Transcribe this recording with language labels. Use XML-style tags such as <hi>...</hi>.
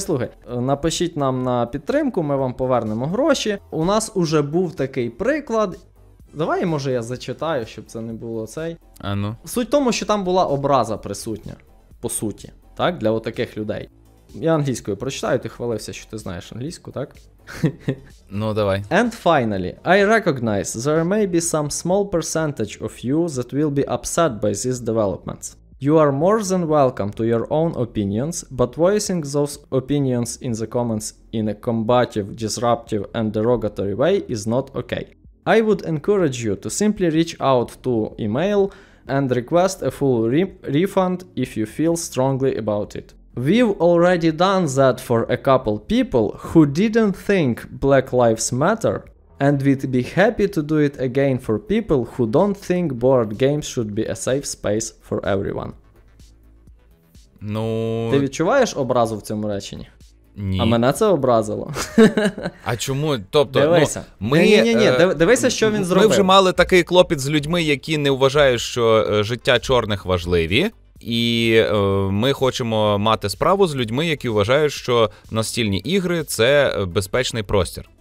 <uk>Слухай, напишіть нам на підтримку, ми вам повернемо гроші. У нас уже був такий приклад. Давай, може, я зачитаю, щоб це не було цей. А ну. Суть в тому, що там була образа присутня, по суті, так, для отаких людей. Я англійською прочитаю, ти хвалився, що ти знаєш англійську, так? Ну, давай.</uk> <en>And finally, I recognize there may be some small percentage of you that will be upset by these developments. You are more than welcome to your own opinions, but voicing those opinions in the comments in a combative, disruptive and derogatory way is not okay. I would encourage you to simply reach out to email and request a full refund if you feel strongly about it. We've already done that for a couple people who didn't think Black Lives Matter, and we'd be happy to do it again for people who don't think board games should be a safe space for everyone.</en> <uk>Ну... Ти відчуваєш образу в цьому реченні? Ні. А мене це образило. А чому? Тобто, дивися. Ну, ми, ні. Дивися, що він зробив. Ми вже мали такий клопіт з людьми, які не вважають, що життя чорних важливі. І ми хочемо мати справу з людьми, які вважають, що настільні ігри – це безпечний простір.</uk>